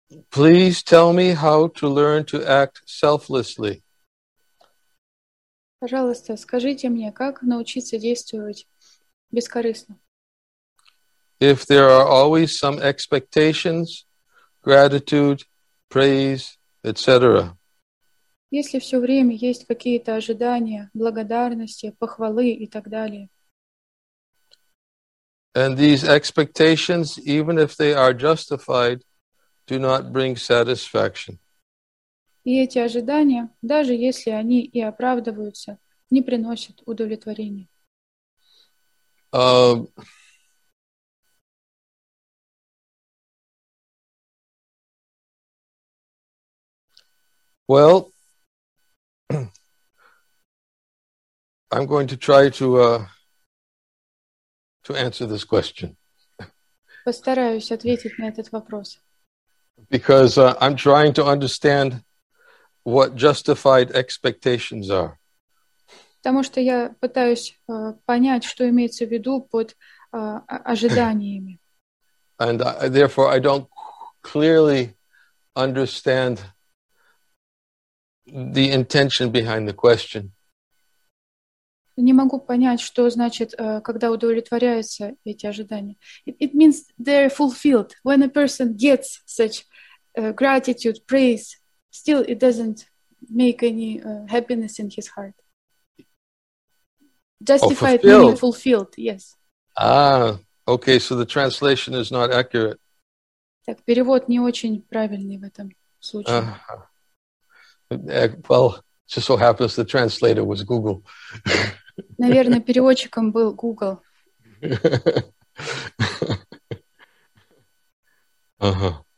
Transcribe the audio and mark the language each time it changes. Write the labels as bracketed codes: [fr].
[en] Please tell me how to learn to act selflessly. [ru] Пожалуйста, скажите мне, как научиться действовать бескорыстно? [en] If there are always some expectations, gratitude, praise, etc. [ru] Если все время есть какие-то ожидания, благодарности, похвалы и так далее. [en] And these expectations, even if they are justified, do not bring satisfaction. [ru] И эти ожидания, даже если они и оправдываются, не приносят удовлетворения. [en] Well, I'm going to try to answer this question. [ru] Постараюсь ответить на этот вопрос. [en] Because I'm trying to understand what justified expectations are. [ru] Потому что я пытаюсь понять, что имеется в виду под ожиданиями. [en] And therefore I don't clearly understand the intention behind the question. [ru] Не могу понять, что значит, когда удовлетворяются эти ожидания. [en] It means they're fulfilled. When a person gets such gratitude, praise, still it doesn't make any happiness in his heart. Justified oh, fulfilled. Meaning fulfilled, yes. Ah, okay, so the translation is not accurate. [ru] Так, перевод не очень правильный в этом случае. [en] Well, it just so happens the translator was Google. [ru] Наверное, переводчиком был Google. Uh-huh.